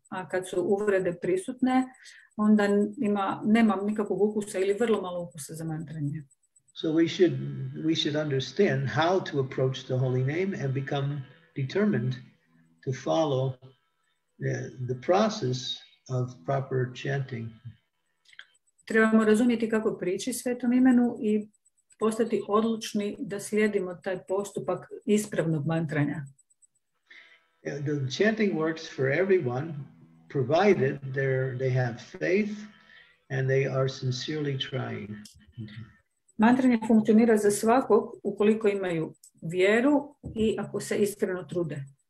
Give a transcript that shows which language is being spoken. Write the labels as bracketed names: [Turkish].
[Croatian] A kad su uvrede prisutne, onda nema nikakvog ukusa ili vrlo malo ukusa za mantranje. [English] So we should understand how to approach the holy name and become determined to follow the process of proper chanting. [Croatian] Trebamo razumjeti kako prići svetom imenu I postati odlučni da slijedimo taj postupak ispravnog mantranja. [English] The chanting works for everyone, provided they have faith and they are sincerely trying. [Croatian] Mantranje funkcionira za svakog ukoliko imaju vjeru I ako se iskreno trude.